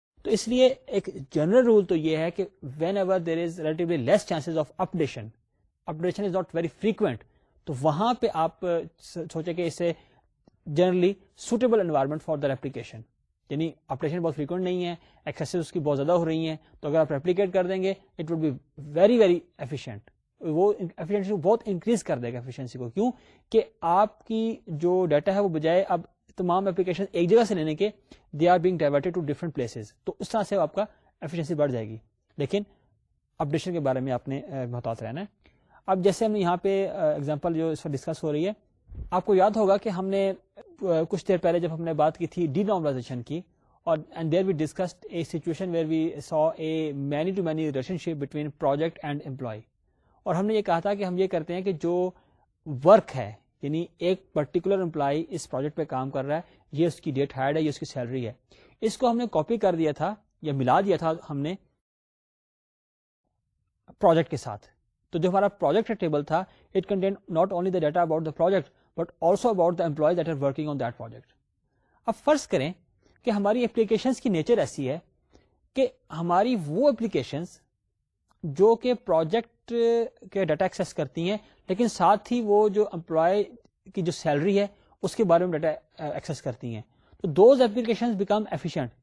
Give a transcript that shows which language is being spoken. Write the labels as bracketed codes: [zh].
[ur] تو اس لیے ایک جنرل رول تو یہ ہے کہ [en] whenever there is relatively less chances of updation, updation is not very frequent, [ur] تو وہاں پہ آپ سوچے کہ اسے [en] Generally suitable environment for the replication. [ur] یعنی اپڈیشن بہت فریکوینٹ نہیں ہے, ایکسیسز اس کی بہت زیادہ ہو رہی ہیں, تو اگر آپ ریپلیکیٹ کر دیں گے [en] It would be very very efficient. [ur] وہ ایفیشینسی کو بہت انکریز کر دے گا ایفیشینسی کو. کیوں کہ آپ کی جو ڈیٹا ہے وہ بجائے اب تمام اپلیکیشن ایک جگہ سے لینے کے, [en] they are being diverted to different places, [ur] تو اس طرح سے آپ کا ایفیشینسی بڑھ جائے گی. لیکن اپڈیشن کے بارے میں آپ نے محتاط رہنا ہے. اب جیسے ہم یہاں پہ ایگزامپل جو اس پر ڈسکس ہو رہی ہے, آپ کو یاد ہوگا کہ ہم نے کچھ دیر پہلے جب ہم نے بات کی تھی ڈی نارملائزیشن کی, اور [en] And there we discussed a situation where we saw a many to many relationship between project and employee. [ur] اور ہم نے یہ کہا تھا کہ ہم یہ کرتے ہیں کہ جو ورک ہے, یعنی ایک پرٹیکولر امپلائی اس پروجیکٹ پہ کام کر رہا ہے, یہ اس کی ڈیٹ ہائرڈ ہے, یہ اس کی سیلری ہے, اس کو ہم نے کاپی کر دیا تھا یا ملا دیا تھا ہم نے پروجیکٹ کے ساتھ. تو جو ہمارا پروجیکٹ ٹیبل تھا [en] It content not only the data about the project but also about the employees that are working on that project. [ur] اب فرض کریں کہ ہماری اپلیکیشنز کی نیچر ایسی ہے کہ ہماری وہ اپلیکیشنز جو کہ پروجیکٹ کے ڈیٹا ایکسیس کرتی ہیں, لیکن ساتھ ہی وہ جو امپلائی کی جو سیلری ہے اس کے بارے میں ڈیٹا ایکسیس کرتی ہیں, تو [en] Those applications become efficient.